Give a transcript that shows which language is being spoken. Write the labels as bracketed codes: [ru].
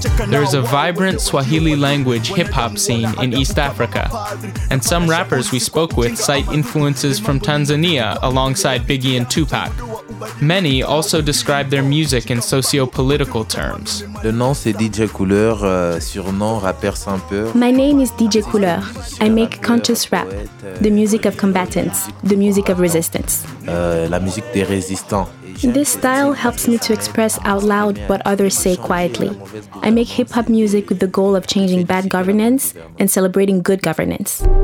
[en] There is a vibrant Swahili language hip-hop scene in East Africa, and some rappers we spoke with cite influences from Tanzania alongside Biggie and Tupac. Many also describe their music in socio-political terms. [fr] Le nom c'est DJ Couleur, surnom rappeur sans peur. [en] My name is DJ Couleur. I make conscious rap, the music of combatants, the music of resistance. [fr] La musique des résistants. [en] This style helps me to express out loud what others say quietly. I make hip-hop music with the goal of changing bad governance and celebrating good governance.